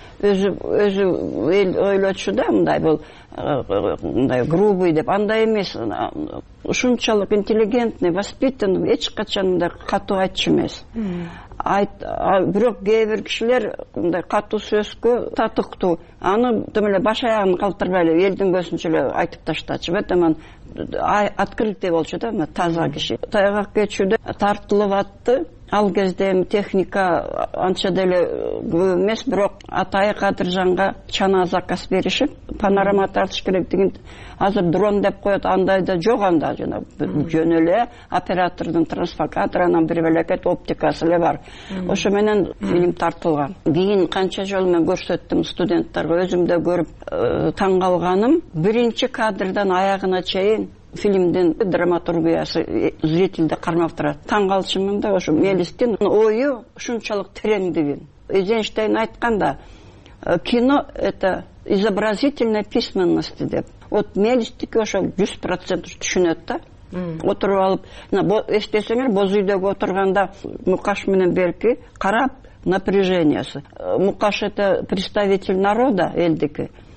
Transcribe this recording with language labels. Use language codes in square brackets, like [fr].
[ky] Өзү эл ойлочу да мындай бул мындай грубый деп. Андай эмес. Ушунчалык [ru] интеллигентный, воспитанный, [ky] эч качан мындай катуу айтчу эмес. Айт, бирок кээ бир кишилер мындай катуу сөзгө татыктуу. Аны эле баш аягын калтырбай эле элдин көзүнчө эле айтып таштачы. Бетаман открытый болчу да, таза киши. Тайгак кечүүдө тартылып атты. Ал кезде техника анча деле көп эмес, бирок атайы Кадыржанга чана заказ беришип, панорама тартыш керек деген, азыр дрон деп коет, андай да жок анда, жана жөн эле оператордун трансфокатор, анан бир белекет оптикасы эле бар. Ошо менен фильм тартылган. Кийин канча жолу мен көрсөттүм студенттерге, өзүм да көрүп таң калганым, биринчи кадрдан аягына чейин фильмдин драматургиясы зрителди кармап турат. Таң калчумун да ошо Мелистин ою ушунчалык тереңдигин. Эйзенштейн айтканда [ru] кино это изобразительная письменность [ky] деп. Вот Мелистики ошо 100% түшүнөт да. Отуруп алып, эстесеңер боз үйдөгү отурганда Мукаш менен Берки карап напряжениясы. [ru] Мукаш это представитель народа элдики.